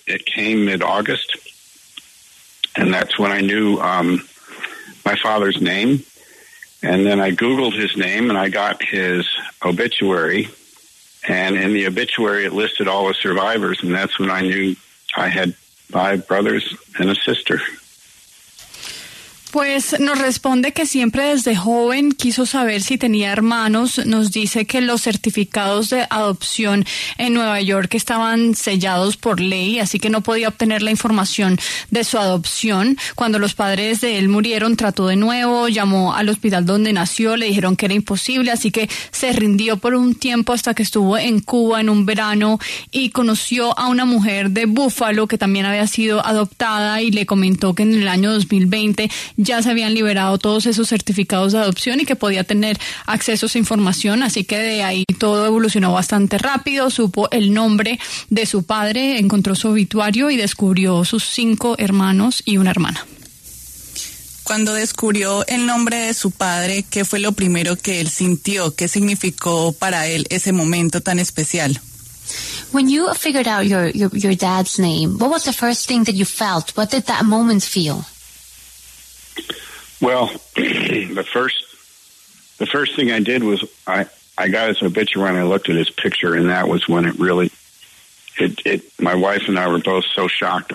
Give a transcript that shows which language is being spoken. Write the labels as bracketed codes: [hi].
[en] It came mid-August, and that's when I knew my father's name. And then I Googled his name, and I got his obituary. And in the obituary, it listed all the survivors, and that's when I knew I had 5 brothers and a sister. [es] Pues nos responde que siempre desde joven quiso saber si tenía hermanos. Nos dice que los certificados de adopción en Nueva York estaban sellados por ley, así que no podía obtener la información de su adopción. Cuando los padres de él murieron, trató de nuevo, llamó al hospital donde nació, le dijeron que era imposible, así que se rindió por un tiempo hasta que estuvo en Cuba en un verano y conoció a una mujer de Buffalo que también había sido adoptada y le comentó que en el año 2020 ya se habían liberado todos esos certificados de adopción y que podía tener acceso a esa información, así que de ahí todo evolucionó bastante rápido. Supo el nombre de su padre, encontró su obituario y descubrió sus 5 hermanos y una hermana. Cuando descubrió el nombre de su padre, ¿qué fue lo primero que él sintió? ¿Qué significó para él ese momento tan especial? [en] When you figured out your dad's name, what was the first thing that you felt? What did that moment feel? Well, the first thing I did was I got his obituary and I looked at his picture, and that was when it really, my wife and I were both so shocked.